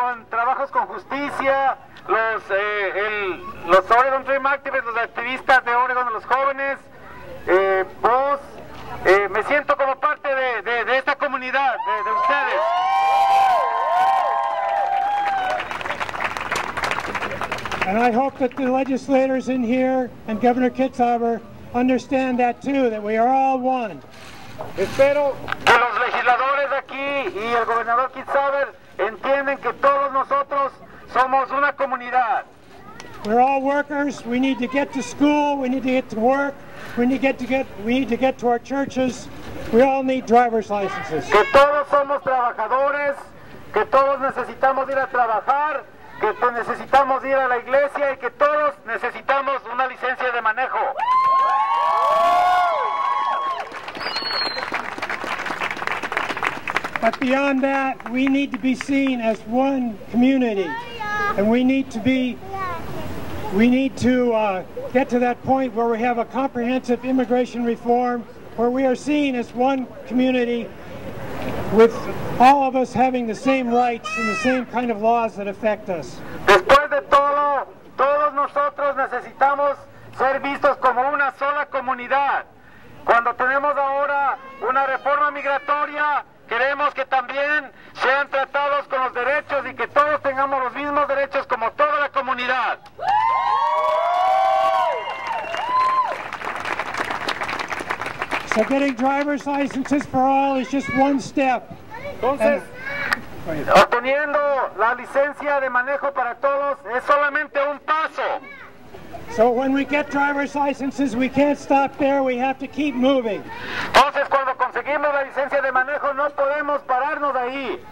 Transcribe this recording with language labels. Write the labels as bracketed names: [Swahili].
[Spanish] Trabajos con Justicia, los Oregon Dream Activists, los activistas de Oregon, los jóvenes, vos, me siento como parte de esta comunidad, de ustedes. [English] And I hope that the legislators in here and Governor Kitzhaber understand that too, that we are all one. [Spanish] Espero que los legisladores aquí y el gobernador Kitzhaber entienden que todos nosotros somos una comunidad. [English] We're all workers. We need to get to school. We need to get to work. We need to get to our churches. We all need driver's licenses. [Spanish] Que todos somos trabajadores, que todos necesitamos ir a trabajar, que necesitamos ir a la iglesia y que todos necesitamos una licencia de manejo. [English] But beyond that, we need to be seen as one community, and we need to get to that point where we have a comprehensive immigration reform, where we are seen as one community, with all of us having the same rights and the same kind of laws that affect us. [Spanish] Después de todo, todos nosotros necesitamos ser vistos como una sola comunidad. Cuando tenemos ahora una reforma migratoria, queremos que también sean tratados con los derechos y que todos tengamos los mismos derechos como toda la comunidad. [English] So getting driver's licenses for all is just one step. [Spanish] Entonces, obteniendo la licencia de manejo para todos es solamente un paso. [English] So when we get driver's licenses, we can't stop there, we have to keep moving. [Spanish] Entonces, cuando conseguimos la licencia de manejo, no podemos pararnos ahí.